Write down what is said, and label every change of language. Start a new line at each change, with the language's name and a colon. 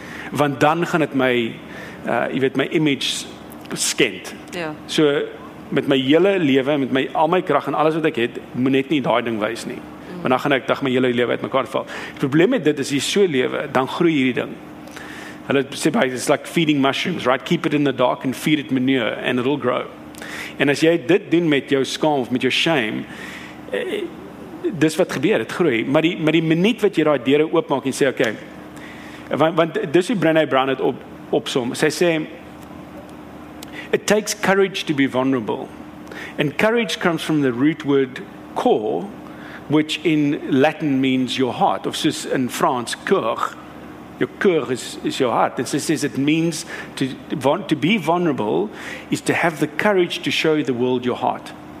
Afrikaans: Want dan gaan het my, my image skend. Ja. So, met my hele lewe, met my al my krag en alles wat ek het, moet net nie daai ding wys nie. Want dan gaan ek dag my hele lewe uit mekaar val. Die probleem met dit is, jy so lewe, dan groei hierdie ding. Hulle sê baie,
English: it's like feeding mushrooms, right? Keep it in the dark and feed it manure and it'll grow.
Afrikaans: En as jy dit doen met jou skam of met jou shame, dis wat gebeur, het groei. Maar die minuut wat jy daai deure oopmaak en sê, okay, want dis hoe Brené Brown het opsom. Sy sê,
English: it takes courage to be vulnerable. And courage comes from the root word cor, which in Latin means your heart.
Afrikaans: Of soos in Frans,
English: cœur. Your cœur is your heart. And so it says it means to be vulnerable is to have the courage to show the world your heart.